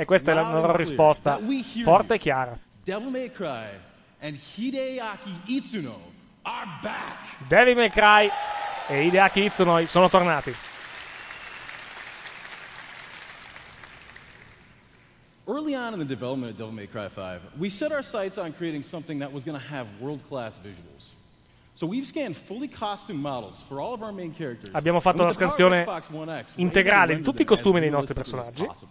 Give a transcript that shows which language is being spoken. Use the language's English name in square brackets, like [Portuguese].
[Italian] E questa è la loro risposta, forte e chiara. [English] Devil May Cry and Hideaki Itsuno are back. [Italian] Devil May Cry e Hideaki Itsuno sono tornati. [English] Early on in the development of Devil May Cry 5, we set our sights on creating something that was going to have world-class visuals. So we've scanned fully costume models for all of our main characters. [Italian] Abbiamo fatto la scansione integrale di tutti i costumi dei nostri personaggi.